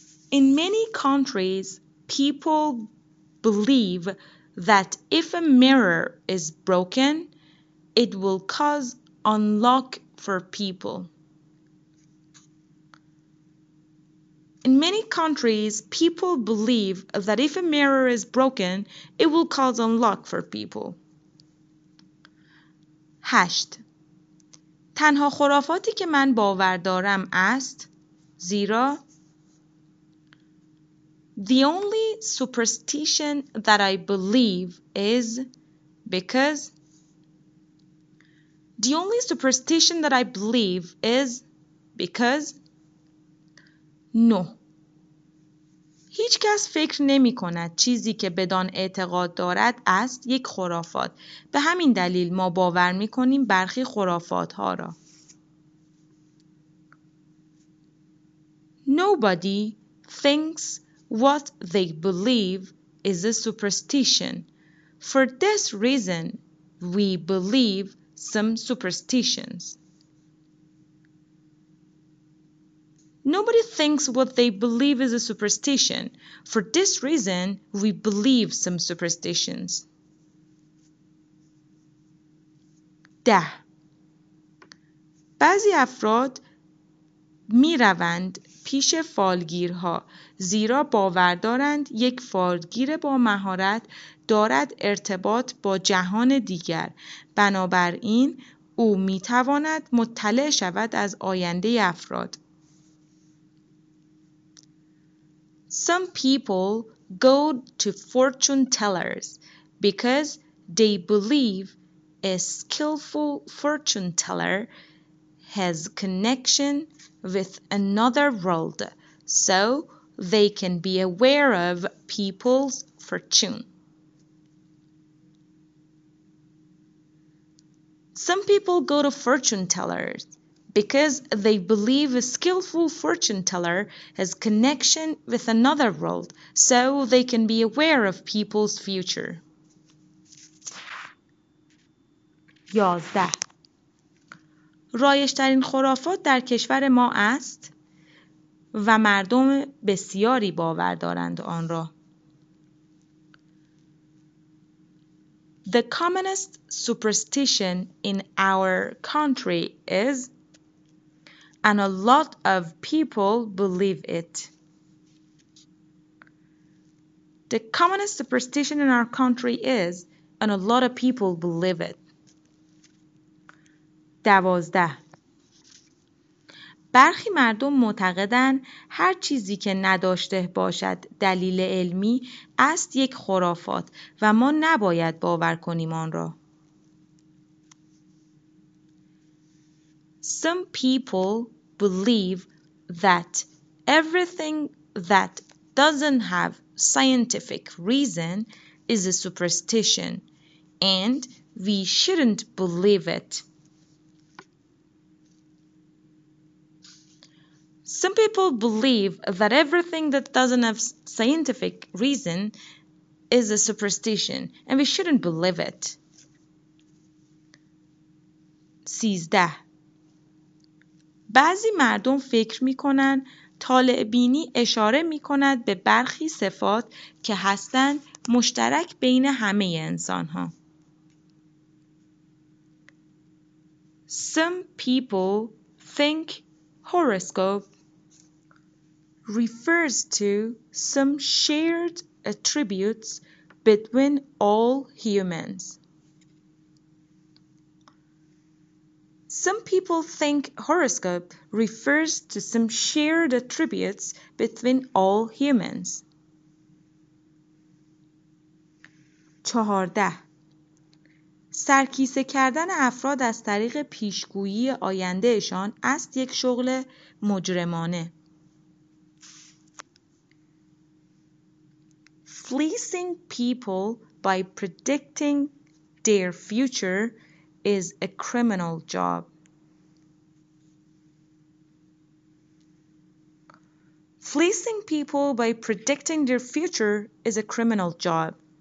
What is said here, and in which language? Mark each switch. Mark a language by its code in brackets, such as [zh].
[en] In many countries, people believe that if a mirror is broken, it will cause unluck for people. In many countries, people believe that if a mirror is broken, it will cause unluck for people. 8. [fa] تنها خرافاتی که من باور دارم است زیرا [en] The only superstition that I believe is because the only superstition that I believe is because no. [fa] هیچ کس فکر نمی کند چیزی که بدان اعتقاد دارد است یک خرافات. به همین دلیل ما باور می کنیم برخی خرافات ها را. [en] Nobody thinks what they believe is a superstition. For this reason, we believe some superstitions. Nobody thinks what they believe is a superstition. For this reason, we believe some superstitions. [fa] ده. بعضی افراد می روند پیش فالگیرها زیرا باور دارند یک فالگیر با مهارت دارد ارتباط با جهان دیگر. بنابراین او می تواند مطلع شود از آینده افراد. [en] Some people go to fortune tellers because they believe a skillful fortune teller has connection with another world, so they can be aware of people's fortune. Some people go to fortune tellers because they believe a skillful fortune teller has connection with another world, so they can be aware of people's future. 11. [fa] رایج‌ترین خرافات در کشور ما است و مردم بسیاری باور دارند آن را. [en] The commonest superstition in our country is and a lot of people believe it. The commonest superstition in our country is and a lot of people believe it. 12. [fa] برخی مردم معتقدند هر چیزی که نداشته باشد دلیل علمی است یک خرافات و ما نباید باور کنیم آن را. [en] Some people believe that everything that doesn't have scientific reason is a superstition and we shouldn't believe it. Some people believe that everything that doesn't have scientific reason is a superstition and we shouldn't believe it. 13. [fa] بعضی مردم فکر می‌کنند طالع‌بینی اشاره می‌کند به برخی صفات که هستند مشترک بین همه انسان‌ها. [en] Some people think horoscope refers to some shared attributes between all humans. Some people think horoscope refers to some shared attributes between all humans. 14. [fa] سرکیسه کردن افراد از طریق پیشگویی آیندهشان است یک شغل مجرمانه. [en] Fleecing people by predicting their future is a criminal job. Fleecing people by predicting their future is a criminal job.